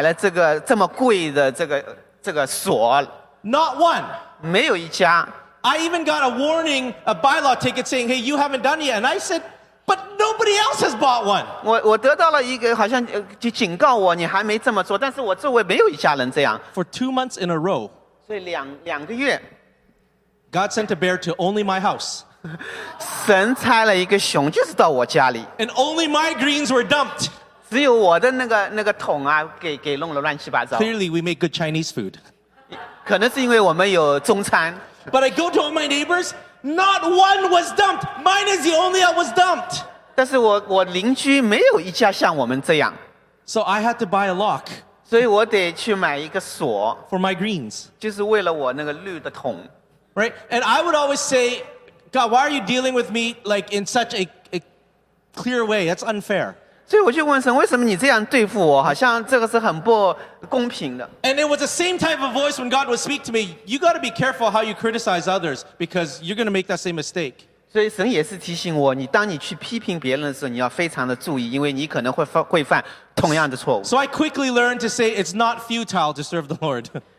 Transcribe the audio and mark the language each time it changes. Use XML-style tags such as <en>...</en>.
<zh>因为在我周围的没有一家人买了这个这么贵的这个锁。</zh> <en>Not one.</en> <zh>没有一家。</zh> <en>I even got a warning, a bylaw ticket saying, hey, you haven't done it yet. And I said, but nobody else has bought one.</en> <zh>我得到了一个好像警告我你还没这么做但是我周围没有一家人这样。</zh> <en>For 2 months in a row,</en> <zh>所以两个月,</zh> <en>God sent a bear to only my house.</en> <zh>神差了一个熊就是到我家里。</zh> <en>And only my greens were dumped.</en> <zh>只有我的那个桶啊给弄了乱七八糟。</zh> <en>Clearly we make good Chinese food.</en> <zh>可能是因为我们有中餐。</zh> <en>But I go to all my neighbors, not one was dumped. Mine is the only one was dumped.</en> <zh>但是我邻居没有一家像我们这样。</zh> <en>So I had to buy a lock.</en> <zh>所以我得去买一个锁。</zh> <en>For my greens.</en> <zh>就是为了我那个绿的桶。</zh> <en>Right? And I would always say, God, why are you dealing with me like in such a clear way? That's unfair.</en> <zh>所以我就问神,为什么你这样对付我?好像这个是很不公平的。</zh> <en>And it was the same type of voice when God would speak to me, you got to be careful how you criticize others because you're going to make that same mistake.</en> <zh>所以神也是提醒我,你当你去批评别人的时候,你要非常的注意,因为你可能会犯同样的错误。</zh> <en>So I quickly learned to say it's not futile to serve the Lord.</en>